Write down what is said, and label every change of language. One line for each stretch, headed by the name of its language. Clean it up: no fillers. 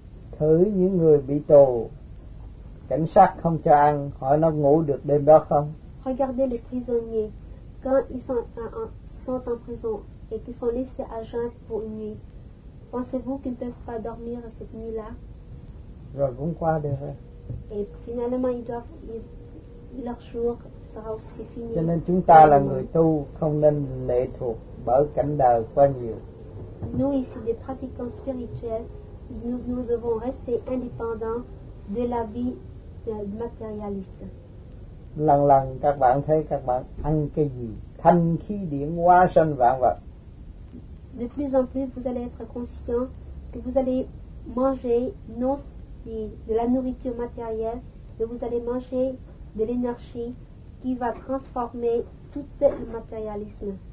Vietnamese: Thử những người bị tù, cảnh sát không cho ăn, hỏi nó ngủ được đêm đó không?
French: Regardez les prisonniers, quand ils sont en prison et qu'ils sont laissés à jeun pour une nuit. Pensez-vous qu'ils ne peuvent pas dormir cette nuit-là?
Vietnamese: Rồi cũng qua được rồi.
French: Et finalement, leur jour sera aussi fini.
Vietnamese: Cho nên chúng ta là người tu, không nên lệ thuộc bởi cảnh đời quá nhiều.
French: Nous ici, des pratiquants spirituels, nous devons rester indépendants de la vie matérialiste.
Vietnamese: Lần lần các bạn thấy các bạn ăn cái gì? Thanh khí điển hóa sanh vạn vật.
French: De plus en plus, vous allez être conscient que vous allez manger non de la nourriture matérielle, mais vous allez manger de l'énergie qui va transformer tout le matérialisme.